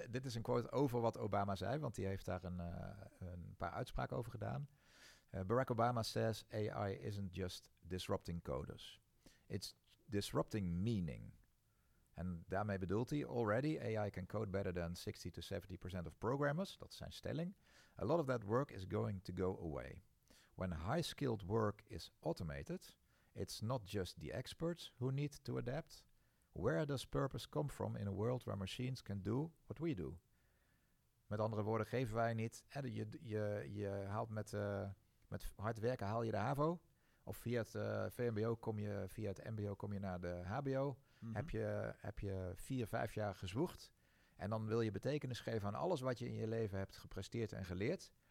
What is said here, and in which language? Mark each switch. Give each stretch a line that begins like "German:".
Dutch: dit is een quote over wat Obama zei, want die heeft daar een paar uitspraken over gedaan.
English: Barack Obama says AI isn't just disrupting coders. It's disrupting meaning.
Dutch: En daarmee bedoelt hij,
English: already AI can code better than 60-70% of programmers.
Dutch: Dat is zijn stelling.
English: A lot of that work is going to go away. When high-skilled work is automated, it's not just the experts who need to adapt. Where does purpose come from in a world where machines can do what we do?
Dutch: Met andere woorden, geven wij niet. Je haalt met hard werken haal je de HAVO. Of via het VMBO kom je, via het MBO kom je naar de HBO. Mm-hmm. Heb je 4-5 jaar gezwoegd. En dan wil je betekenis geven aan alles wat je in je leven hebt gepresteerd en geleerd.